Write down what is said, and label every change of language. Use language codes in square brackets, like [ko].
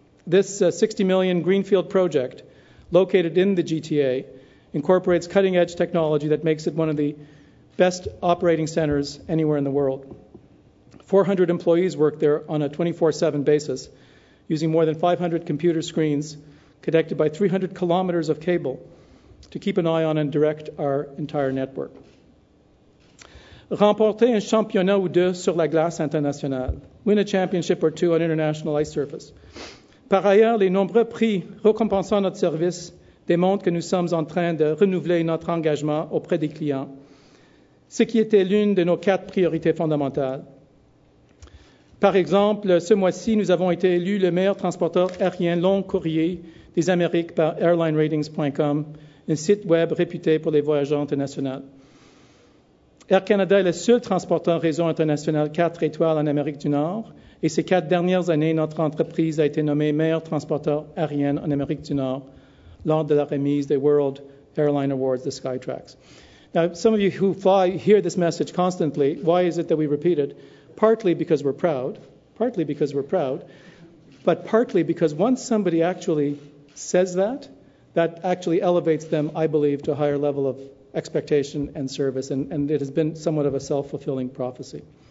[en] This $60 million greenfield project, located in the GTA, incorporates cutting-edge technology that makes it one of the best operating centers anywhere in the world. 400 employees work there on a 24/7 basis, using more than 500 computer screens connected by 300 kilometers of cable to keep an eye on and direct our entire network. [fr] Remporter un championnat ou deux sur la glace internationale. [en] Win a championship or two on international ice surface. [fr] Par ailleurs, les nombreux prix récompensant notre service démontrent que nous sommes en train de renouveler notre engagement auprès des clients, ce qui était l'une de nos quatre priorités fondamentales. Par exemple, ce mois-ci, nous avons été élus le meilleur transporteur aérien long courrier des Amériques par AirlineRatings.com, un site web réputé pour les voyageurs internationaux. Air Canada est le seul transporteur réseau international 4 étoiles en Amérique du Nord, et ces quatre dernières années, notre entreprise a été nommée meilleur transporteur aérien en Amérique du Nord lors de la remise des World Airline Awards, the Skytrax. [en] Now, some of you who fly hear this message constantly. Why is it that we repeat it? Partly because we're proud, but partly because once somebody actually says that, that actually elevates them, I believe, to a higher level of expectation and service, and it has been somewhat of a self-fulfilling prophecy.